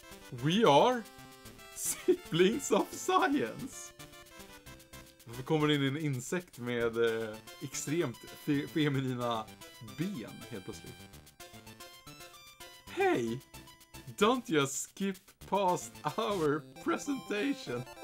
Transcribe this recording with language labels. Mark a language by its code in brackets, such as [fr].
[en] We are siblings of science. [sv] Varför kommer det in en insekt med extremt feminina ben helt plötsligt? [en] Hey, don't just skip past our presentation.